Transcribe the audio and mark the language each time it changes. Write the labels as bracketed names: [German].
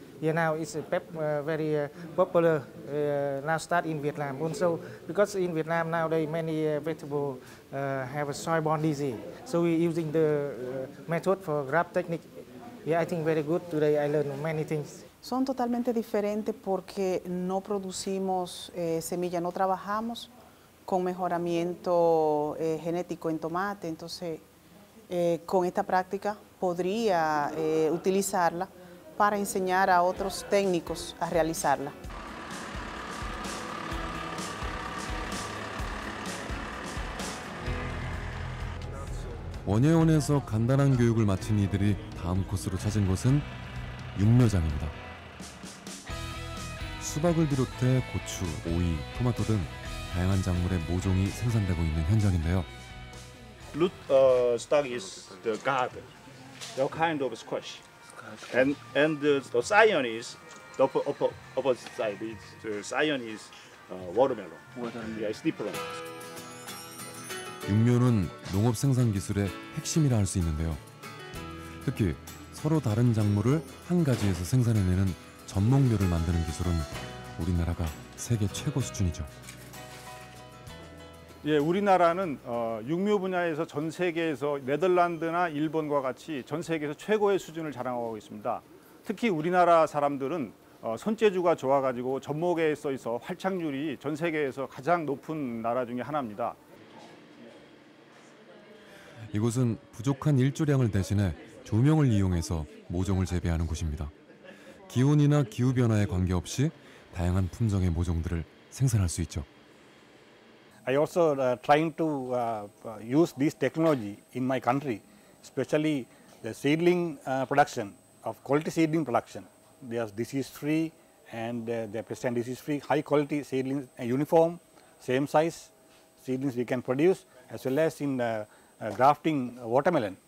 [English] Yeah, now it's very popular now start in Vietnam. Also, because in Vietnam now they many vegetable have a soil borne disease. So we're using the method for graft technique. Yeah, I think very good today. I learned many things. [Spanish] Son totalmente diferentes porque no producimos semilla, no trabajamos con mejoramiento genético en tomate. Entonces, con esta práctica podría utilizarla para enseñar a otros técnicos a realizarla. [Korean] 원예원에서 간단한 교육을 마친 이들이 다음 코스로 찾은 곳은 육묘장입니다. 수박을 비롯해 고추, 오이, 토마토 등 다양한 작물의 모종이 생산되고 있는 현장인데요. [English] Root stock is the garden, the kind of squash. And the scion is the opposite side. The scion is watermelon. Yeah, it's different. [Korean] 육묘는 농업 생산 기술의 핵심이라 할 수 있는데요. 특히 서로 다른 작물을 한 가지에서 생산해내는 전목묘를 만드는 기술은 우리나라가 세계 최고 수준이죠. 예, 우리나라는 육묘 분야에서 전 세계에서 네덜란드나 일본과 같이 전 세계에서 최고의 수준을 자랑하고 있습니다. 특히 우리나라 사람들은 손재주가 좋아가지고 전목에 있어서 활착률이 전 세계에서 가장 높은 나라 중에 하나입니다. 이곳은 부족한 일조량을 대신해 조명을 이용해서 모종을 재배하는 곳입니다. 기온이나 기후변화에 관계없이 다양한 품종의 모종들을 생산할 수 있죠. [English] I also trying to use this technology in my country, especially the seedling production, of quality seedling production. They are disease-free and they present disease-free, high-quality seedlings, uniform, same-size seedlings we can produce, as well as in grafting watermelon.